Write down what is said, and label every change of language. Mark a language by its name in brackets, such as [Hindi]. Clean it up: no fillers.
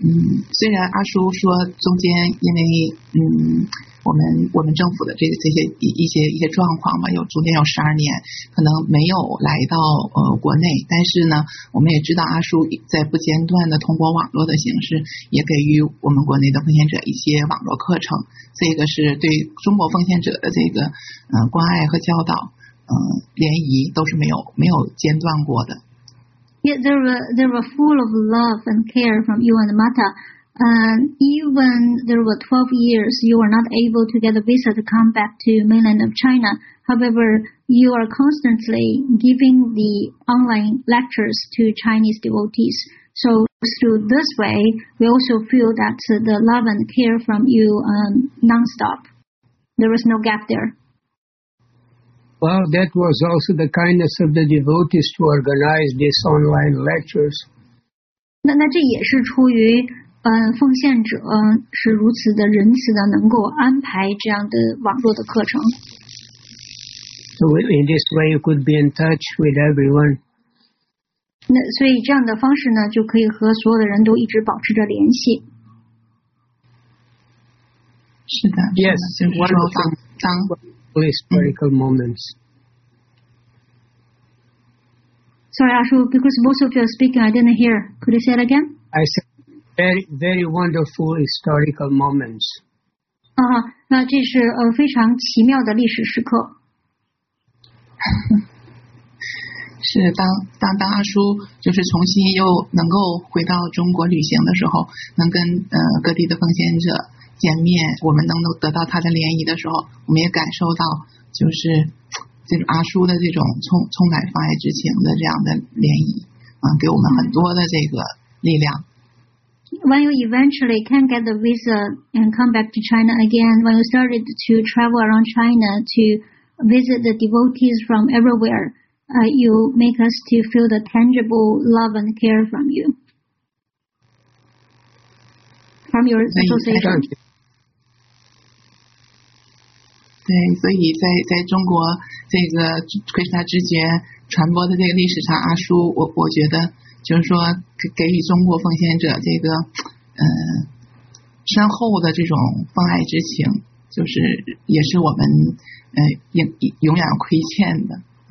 [Chinese] 虽然阿叔说中间因为我们政府的这些一些状况嘛，有中间有12年可能没有来到国内，但是呢我们也知道阿叔在不间断的通过网络的形式也给予我们国内的奉献者一些网络课程，这个是对中国奉献者的这个关爱和教导联谊都是没有间断过的。 [English] Yeah, they were full of love and care from you and Mata. And even there were 12 years, you were not able to get a visa to come back to mainland of China. However, you are constantly giving the online lectures to Chinese devotees. So through this way, we also feel that the love and care from you nonstop. There was no gap there. Well, that was also the kindness of the devotees to organize these online lectures. [Chinese] 那这也是出于奉献者是如此的仁慈的能够安排这样的网络的课程。 [English] So in this way, you could be in touch with everyone. [Chinese] 那所以这样的方式呢，就可以和所有的人都一直保持着联系。是的，是的 [English] yes, [Chinese] 是的 [English] wonderful. [Chinese] 当 [English] Historical moments. Sorry, Ashu, because most of you are speaking, I didn't hear. Could you say it again? I said very, very wonderful historical moments. [Chinese] Ah, 那这是非常奇妙的历史时刻。是当阿叔就是重新又能够回到中国旅行的时候，能跟各地的奉献者见面，我们能够得到他的联谊的时候，我们也感受到就是这种阿叔的这种充满发爱之情的这样的联谊给我们很多的这个力量。 [English] When you eventually can get the visa and come back to China again, when you started to travel around China to visit the devotees from everywhere,you make us to feel the tangible love and care from you, from your association. [Chinese] 对，所以在中国这个 Krishna 之觉传播的这个历史上，阿叔，我觉得就是说给予中国奉献者这个深厚的这种奉爱之情，就是也是我们永远亏欠的，嗯。